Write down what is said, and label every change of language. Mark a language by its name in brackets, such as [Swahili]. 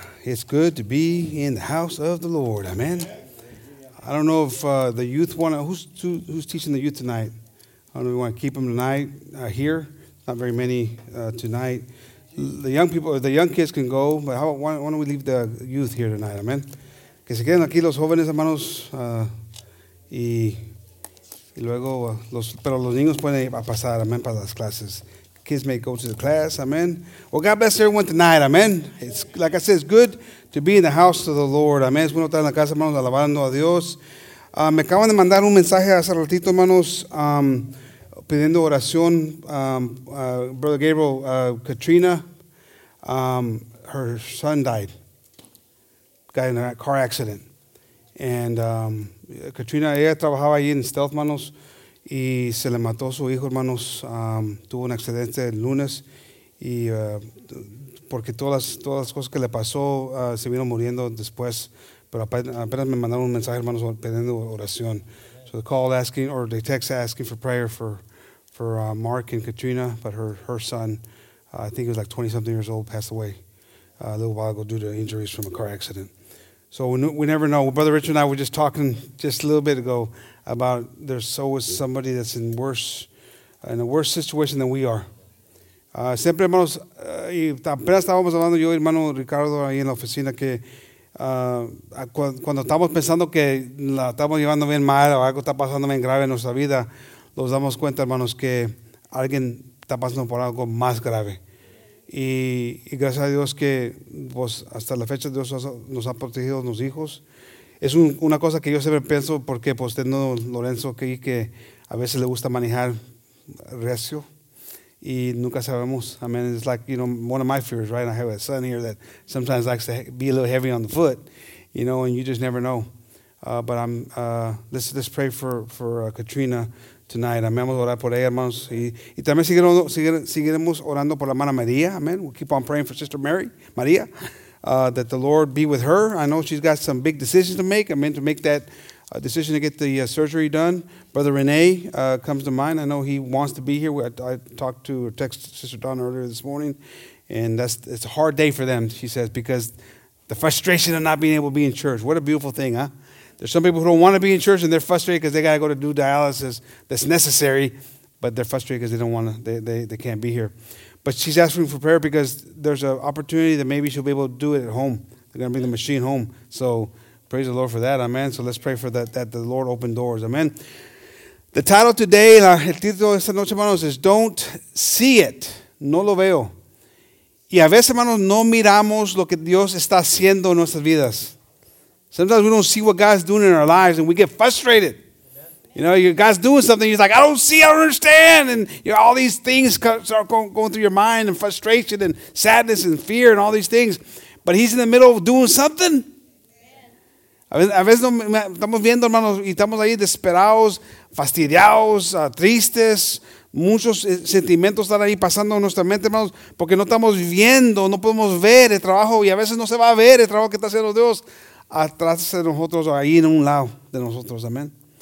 [English] It's good to be in the house of the Lord. Amen. I don't know if the youth want to, who's teaching the youth tonight? I don't know if we want to keep them tonight here. Not very many tonight. The young people, the young kids can go, but why don't we leave the youth here tonight? Amen. [Spanish] Que se queden aquí los jóvenes, hermanos, y luego los, pero los niños pueden ir a pasar, amen, para las clases. [English] Kids may go to the class, amen. Well, God bless everyone tonight, amen. It's, like I said, it's good to be in the house of the Lord, amen. [Spanish] Es bueno estar en la casa, hermanos, alabando a Dios. Me acaban de mandar un mensaje hace ratito, hermanos, pidiendo oración, Brother Gabriel, Katrina, [English] her son died, got in a car accident. And [Spanish] Katrina, ella trabajaba ahí en Stealth, manos, y se le mató su hijo, hermanos. Tuvo un accidente el lunes, y porque todas las cosas que le pasó, se vino muriendo después, pero apenas me mandaron un mensaje, hermanos, pidiendo oración. [English] So the call asking, or the text asking for prayer for Mark and Katrina, but her son, I think he was like 20-something years old, passed away a little while ago due to injuries from a car accident. So we never know. Brother Richard and I were just talking just a little bit ago about there's always somebody that's in a worse situation than we are. [Spanish] Siempre, hermanos, y apenas estábamos hablando yo y hermano Ricardo ahí en la oficina que cuando estamos pensando que la estamos llevando bien mal o algo está pasando bien grave en nuestra vida, nos damos cuenta, hermanos, que alguien está pasando por algo más grave. Y gracias a Dios que pues, hasta la fecha Dios nos ha protegido a los hijos. Es una cosa que yo siempre pienso porque pues, tengo Lorenzo que a veces le gusta manejar recio y nunca sabemos. [English] I mean, it's like, you know, one of my fears, right? I have a son here that sometimes likes to be a little heavy on the foot, you know, and you just never know. But I'm let's pray for Katrina tonight. Amén. [Spanish] Vamos a orar por ella, hermanos. Y también seguiremos orando por la hermana María. [English] Amen. We'll keep on praying for Sister Mary, María, that the Lord be with her. I know she's got some big decisions to make. I mean, to make that decision to get the surgery done. Brother Rene comes to mind. I know he wants to be here. I texted Sister Donna earlier this morning, and it's a hard day for them, she says, because the frustration of not being able to be in church. What a beautiful thing, huh? There's some people who don't want to be in church and they're frustrated because they got to go to do dialysis that's necessary, but they're frustrated because they don't want to, they can't be here. But she's asking for prayer because there's an opportunity that maybe she'll be able to do it at home. They're going to bring the machine home. So praise the Lord for that. Amen. So let's pray for that the Lord open doors. [Spanish] Amen. [English] The title today, [Spanish] el título de esta noche, hermanos, [English] is Don't See It. [Spanish] No lo veo. Y a veces, hermanos, no miramos lo que Dios está haciendo en nuestras vidas. [English] Sometimes we don't see what God's doing in our lives, and we get frustrated. You know, God's doing something. He's like, I don't see, I don't understand. And you know, all these things start going through your mind, and frustration, and sadness, and fear, and all these things. But he's in the middle of doing something. [Spanish] A veces estamos viendo, hermanos, y estamos ahí desesperados, fastidiados, tristes. Muchos sentimientos están ahí pasando en nuestra mente, hermanos, porque no estamos viendo, no podemos ver el trabajo, y a veces no se va a ver el trabajo que está haciendo Dios atrás de nosotros, ahí en un lado de nosotros, amen.